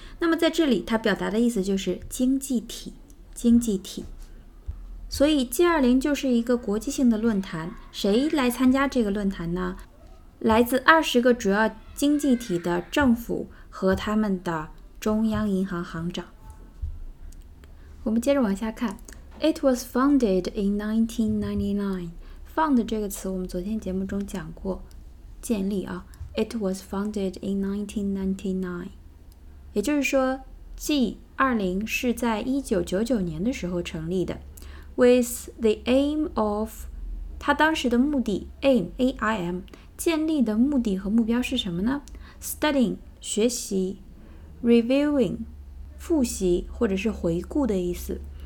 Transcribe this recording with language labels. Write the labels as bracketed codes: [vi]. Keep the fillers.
[zh] 那么在这里，它表达的意思就是经济体、经济体。所以 G20 就是一个国际性的论坛，谁来参加这个论坛呢？来自二十个主要经济体的政府和他们的中央银行行长。我们接着往下看， [en] It was founded in 1999。 [zh] found 这个词我们昨天节目中讲过，建立啊。 [en] It was founded in 1999， [zh] 也就是说 G20 是在一九九九年的时候成立的。 [en] With the aim of， [zh] 他当时的目的，aim，a i m，建立的目的和目标是什么呢？Studying 学习，reviewing 复习或者是回顾的意思